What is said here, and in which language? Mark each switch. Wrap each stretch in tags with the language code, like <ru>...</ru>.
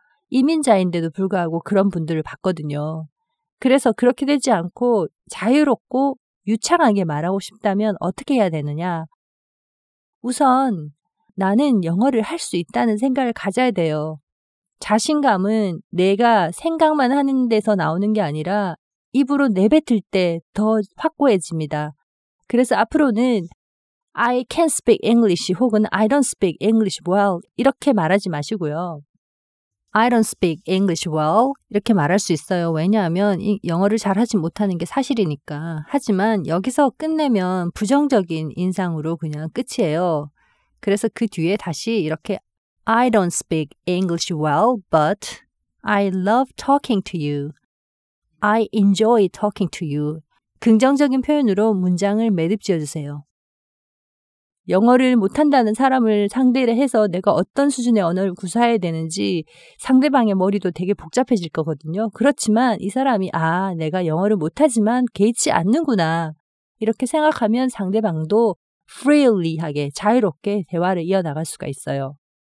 <ko>이민자인데도 불구하고 그런 분들을 봤거든요. 그래서 그렇게 되지 않고 자유롭고 유창하게 말하고 싶다면 어떻게 해야 되느냐. 우선 나는 영어를 할 수 있다는 생각을 가져야 돼요. 자신감은 내가 생각만 하는 데서 나오는 게 아니라 입으로 내뱉을 때 더 확고해집니다.</ko> <en>그래서 앞으로는 I can't speak English</en> <ko>혹은</ko> <en>I don't speak English well</en> <ko>이렇게 말하지 마시고요.</ko> <en>I don't speak English well</en> <ko>이렇게 말할 수 있어요. 왜냐하면 영어를 잘하지 못하는 게 사실이니까. 하지만 여기서 끝내면 부정적인 인상으로 그냥 끝이에요. 그래서 그 뒤에 다시 이렇게</ko> <en>I don't speak English well, but I love talking to you. I enjoy talking to you.</en> <ko>긍정적인 표현으로 문장을 매듭 지어주세요. 영어를 못한다는 사람을 상대를 해서 내가 어떤 수준의 언어를 구사해야 되는지 상대방의 머리도 되게 복잡해질 거거든요. 그렇지만 이 사람이 아, 내가 영어를 못하지만 개의치 않는구나 이렇게 생각하면 상대방도 freely하게 자유롭게 대화를 이어나갈 수가 있어요.</ko>